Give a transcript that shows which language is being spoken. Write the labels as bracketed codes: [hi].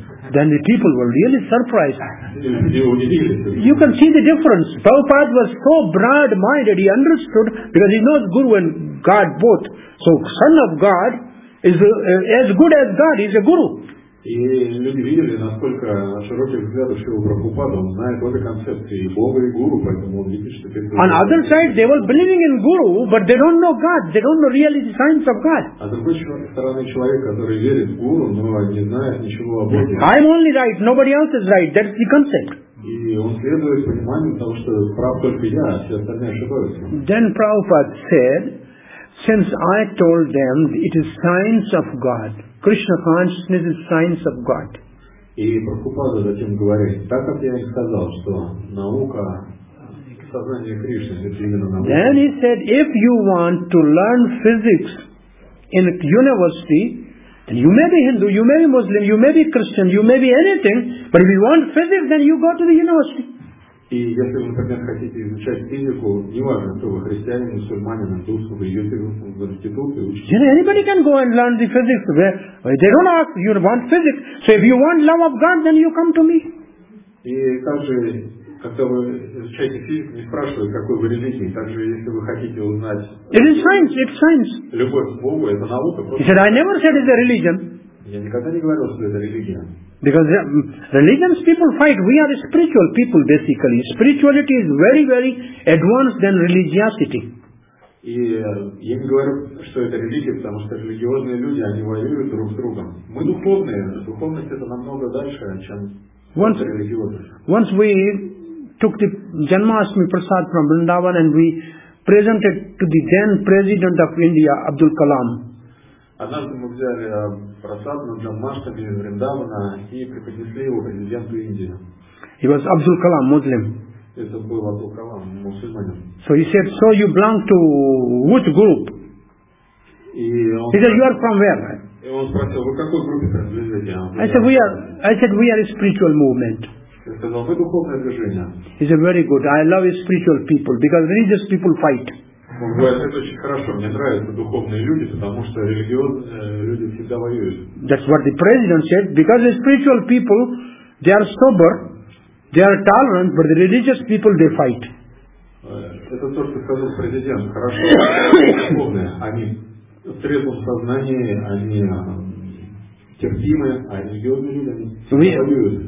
[en] Then the people were really surprised. You can see the difference. Prabhupada was so broad-minded, he understood, because he knows Guru and God both. So Son of God is as good as God, he's a Guru. [ru] И люди видели, насколько широких взглядов Шрилы Прабхупады, он знает обе концепции, и Бога, и Гуру, поэтому он видит, что... [en] On other side, they were believing in Guru, but they don't know God, they don't know really the science of God. [ru] А с другой стороны, человек, который верит в Гуру, но не знает ничего о Боге. [en] I'm only right, nobody else is right, that's the concept. [ru] И он следует пониманию того, что прав только я, а все остальные ошибаются. [en] Then Prabhupada said, since I told them it is science of God, Krishna consciousness is science of God. [ru] И Прабхупада затем говорит, так как я и сказал, что наука сознания Кришны, это именно наука. [en] Then he said, if you want to learn physics in a university, then you may be Hindu, you may be Muslim, you may be Christian, you may be anything, but if you want physics, then you go to the university. [ru] И если вы, например, хотите изучать физику, неважно, кто вы, христианин, мусульманин, индус, вы идете в институт и учите. [en] Anybody can go and learn the physics. They don't ask, you want physics. So if you want love of God, then you come to me. [ru] И также, когда вы изучаете физику, не спрашивают, какой вы религии. Также, если вы хотите узнать... [en] It is science, it's science. [ru] Любовь к Богу, это наука. [en] He said, I never said it's a religion. [ru] Я никогда не говорил, что это религия. [en] Because religions people fight, we are spiritual people basically. Spirituality is very, very advanced than religiosity. [ru] И я не говорю, что это религия, потому что религиозные люди, они воюют друг с другом. Мы духовные, духовность это намного дальше, чем религиозность. [en] Once we took the Janmashtami Prasad from Vrindavan and we presented to the then president of India, Abdul Kalam. [ru] Однажды мы взяли просад на Джанмаштами в Риндавана и преподнесли его президенту Индии. [en] He was Abdul Kalam, Muslim. [ru] Это был Абдул Калам, мусульманин. [en] So he said, so you belong to which group? He said, you are from where? [ru] И он спросил, вы какой группе принадлежите? [en] I said, we are a spiritual movement. [ru] Я сказал, вы духовное движение. [en] He said, very good, I love spiritual people, because religious people fight. [ru] это очень хорошо. Мне нравятся духовные люди, потому что религиозные люди всегда воюют. [en] That's what the president said. Because the spiritual people, they are sober, they are tolerant, but the religious people, they fight. [ru] Это то, что сказал президент. Хорошо, духовные, они в трезвом сознании, они терпимы, а религиозные люди, они всегда воюют.